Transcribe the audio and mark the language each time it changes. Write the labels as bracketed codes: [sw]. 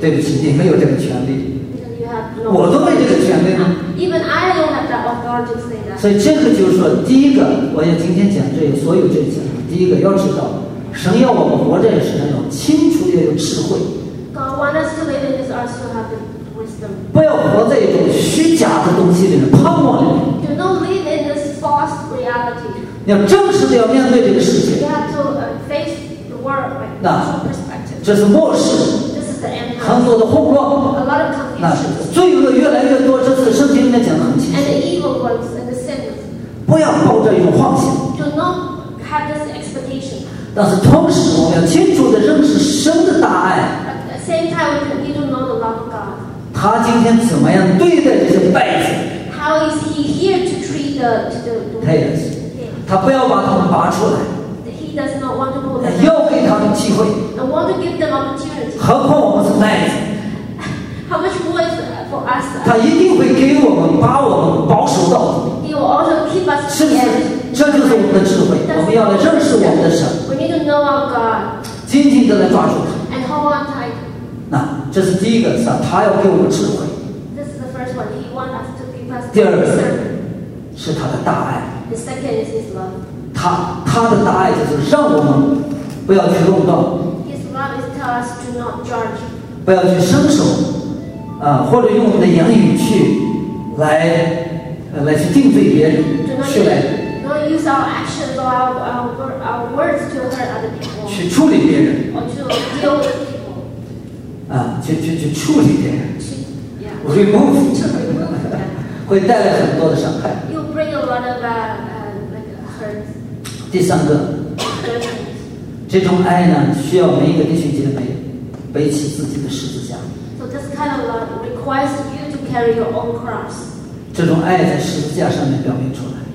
[zh] 对不起，你没有这个权利。 [en] No、 [zh] 我都没这个权利吗 [en] ？Even I don't have that authority to say that. [zh] 所以这个就是说，第一个，我要今天讲这所有这些。第一个要知道，神要我们活在世上要清楚也有智慧。 [en] God wants us to live in this earth to have the wisdom. [zh] 不要活在一种虚假的东西里面，泡沫里面。 [en] Do not live in this false reality. [zh] 你要正式的要面对这个世界。 [en] You have to face the world with a perspective. [zh] 那这是末世。很多的混乱，那罪恶越来越多，这是圣经里面讲的很清楚。 [en] And the evil ones and the sinners. [zh] 不要抱着一种幻想。 [en] Do not have this expectation. [zh] 但是同时，我们要清楚的认识神的大爱。 [en] At the same time, we need to know the love of God. [zh] 他今天怎么样对待这些败子 [en] ？How is he here to treat the wicked? [zh] 他不要把他们拔出来。 [en] He does not want to pull them out. I want to give them opportunity. [zh] 何况我们是麦子。 [en] How much more is for us? [zh] 他一定会给我们把我们保守到。 [en] He will also keep us. [zh] 是不是？这就是我们的智慧。我们要来认识我们的神。 [en] We need to know our God. [zh] 紧紧的来抓住他。 [en] And hold on tight. [zh] 那这是第一个，是他要给我们智慧。 [en] This is the first one. He wants us to. [zh] 第二个是他的大爱。 [en] The second is his love. [zh] 他的大爱就是让我们不要去论断。 [en] His love is tell us to not judge. [zh] 不要去伸手，或者用我们的言语去来去定罪别人，去来。 [en] Don't use our actions or our words to hurt other people. [zh] 去处理别人。 [en] Or to deal with people. [zh] 去处理别人。 [en] Yeah. Remove. To remove. [zh] 会带来很多的伤害。 [en] You bring a lot of hurt. [zh] 第三个，这种爱呢，需要每一个弟兄姐妹背起自己的十字架。 [en] So this kind of love requires you to carry your own cross. [zh] 这种爱在十字架上面表明出来。